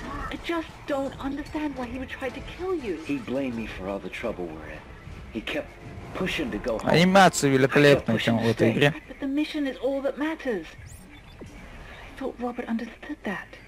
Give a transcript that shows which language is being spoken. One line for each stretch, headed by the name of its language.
English: I just don't understand why he would try to kill you. He blamed me for all the trouble we're in. He kept pushing to go home.
Russian: Анимация великолепная там в этой игре.
English: But the mission is all that matters. I thought Robert understood that.